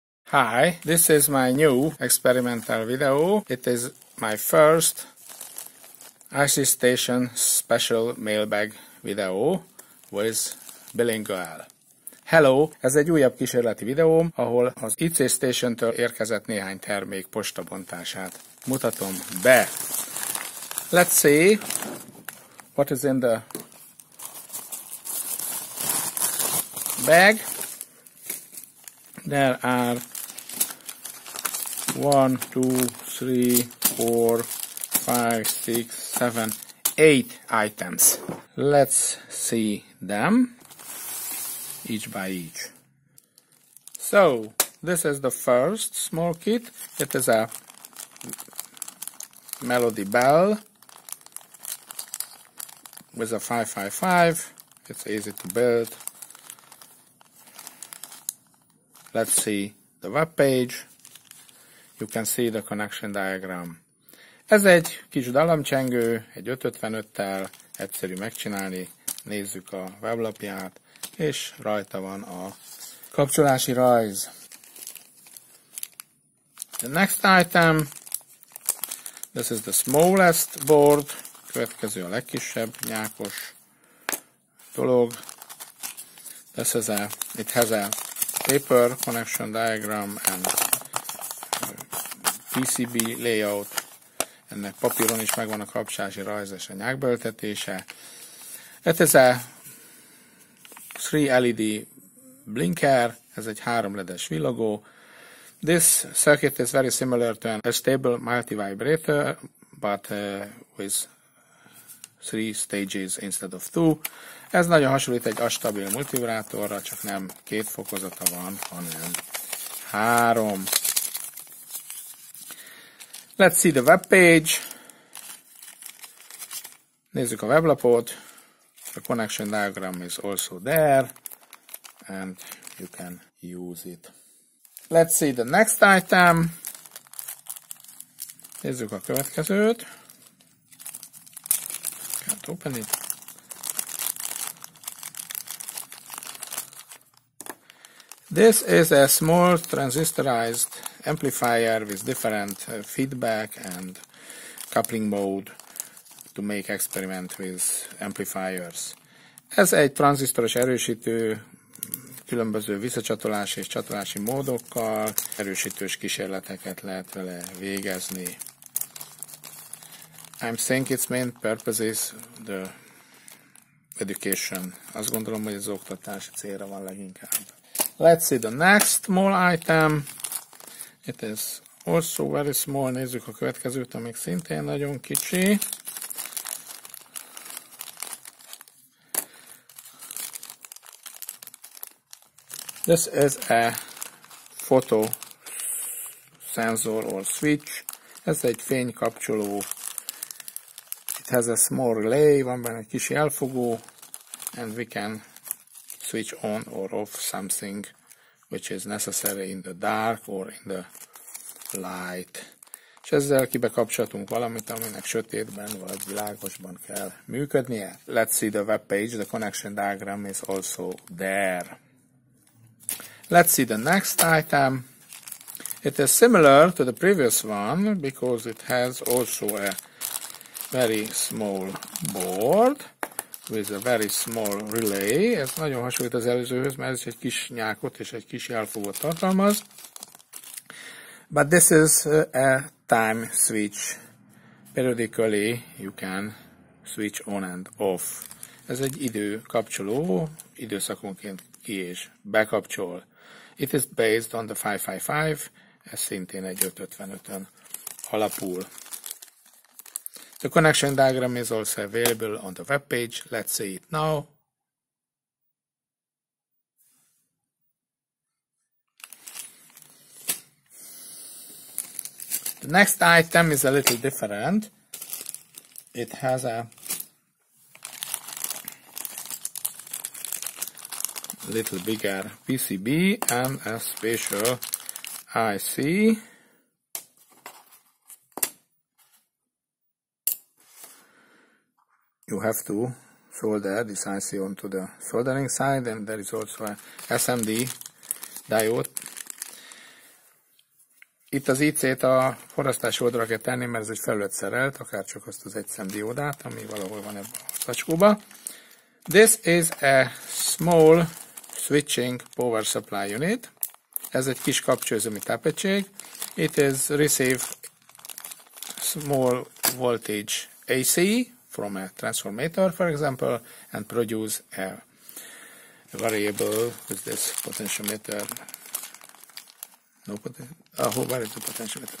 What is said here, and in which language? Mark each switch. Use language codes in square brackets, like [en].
[en] Hi, this is my new experimental video. It is my first IC Station special mailbag video with bilingual. Hello! [hu] Ez egy újabb kísérleti videóm, ahol az IC Station-től érkezett néhány termék postabontását mutatom be. [en] Let's see what is in the bag. There are 1, 2, 3, 4, 5, 6, 7, 8 items. Let's see them, each by each. So, this is the first small kit. It is a Melody Bell with a 555. It's easy to build. Let's see the web page. You can see the connection diagram. [hu] Ez egy kis dallamcsengő, egy 555-tel, egyszerű megcsinálni. Nézzük a weblapját, és rajta van a kapcsolási rajz. [en] The next item, this is the smallest board, [hu] következő a legkisebb nyákos dolog. [en] This is a, it has a paper connection diagram and PCB layout, [hu] ennek papíron is megvan a kapcsolási rajz és a nyákbeültetése. Ez a 3 LED blinker, ez egy 3 LED-es villogó. [en] This circuit is very similar to a stable multivibrator, but with 3 stages instead of 2. [hu] Ez nagyon hasonlít egy astabil multivibrátorra, csak nem két fokozata van, hanem 3. [en] Let's see the web page. [hu] Nézzük a weblapot. [en] The connection diagram is also there. And you can use it. Let's see the next item. [hu] Nézzük a következőt. [en] Can't open it. This is a small transistorized amplifier with different feedback and coupling mode to make experiment with amplifiers. [hu] Ez egy tranzisztoros erősítő, különböző visszacsatolási és csatolási módokkal erősítős kísérleteket lehet vele végezni. [en] I'm think its main purpose is the education. [hu] Azt gondolom, hogy az oktatás célra van leginkább. [en] Let's see the next small item. It is also very small. [hu] Nézzük a következőt, amik szintén nagyon kicsi. [en] This is a photo sensor or switch. [hu] Ez egy fénykapcsoló. [en] It has a small relay, [hu] van benne egy kis elfogó, [en] and we can switch on or off something which is necessary in the dark or in the light. [hu] És ezzel kibekapcsolhatunk valamit, aminek sötétben vagy világosban kell működnie. [en] Let's see the web page. The connection diagram is also there. Let's see the next item. It is similar to the previous one because it has also a very small board with a very small relay. [hu] Ez nagyon hasonlít az előzőhöz, mert ez egy kis nyákot és egy kis jelfogót tartalmaz. [en] But this is a time switch. Periodically you can switch on and off. [hu] Ez egy időkapcsoló, időszakonként ki és bekapcsol. [en] It is based on the 555, [hu] ez szintén egy 555-ön alapul. [en] The connection diagram is also available on the webpage. Let's see it now. The next item is a little different. It has a little bigger PCB and a special IC. You have to solder this IC onto the soldering side, and there is also a SMD diode. [hu] Itt az IC-t a forrasztás oldalra kell tenni, mert ez egy felület szerelt, akár csak azt az egyszem diódát, ami valahol van ebben a szacskóban. [en] This is a small switching power supply unit. [hu] Ez egy kis kapcsolóüzemi tápegység. [en] It is receive small voltage AC from a transformator, for example, and produce a variable with this potentiometer. No potential. Oh, where is the potentiometer?